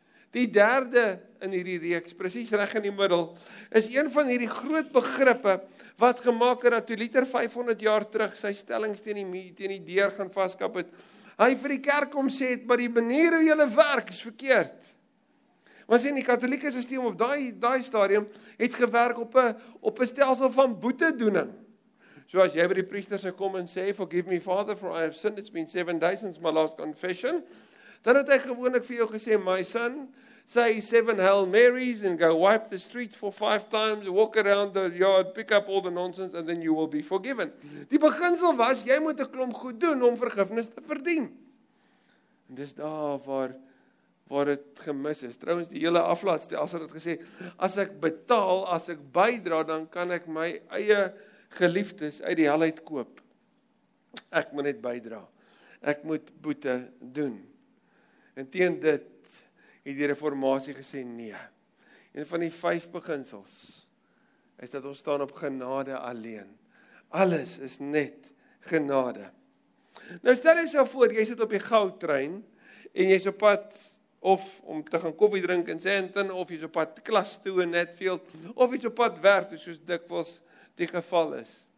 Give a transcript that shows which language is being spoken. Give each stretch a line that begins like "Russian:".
Afrikaans: Die derde in hierdie reeks, presies reg in die middel, is een van hierdie groot begrippe wat gemaak het dat Toeliter 500 jaar terug sy stellings teen die deur gaan vaskap het. Hy vir die kerk kom sê het, maar die manier hoe julle werk is verkeerd. Maar sien, die katholieke systeem op daai stadium het gewerk op 'n stelsel van boetedoening. So as jy by die priester sou kom en sê,
English: forgive me father for I have sinned, it's been 7 days since my last confession,
Afrikaans: dan het hy gewoonlik vir jou gesê,
English: my son, say 7 Hail Marys and go wipe the street for 5 times, walk around the yard, pick up all the nonsense and then you will be forgiven.
Afrikaans: Die beginsel was, jy moet 'n klomp goed doen om vergifnis te verdien. En dis daar waar het gemis is. Trouwens, die hele aflaatstelsel het gesê, as ek betaal, as ek bydra, dan kan ek my eie geliefdes uit die hel uitkoop. Ek moet net bydra. Ek moet boete doen. En teen dit het die reformatie gesê nee. Een van die 5 beginsels is dat ons staan op genade alleen. Alles is net genade. Nou stel jouself voor, jy sit op die goudtrein en jy's op pad of om te gaan koffie drink in Sandton of jy's op pad klas toe in Netfield of jy's op pad werk toe soos dikwels die geval is.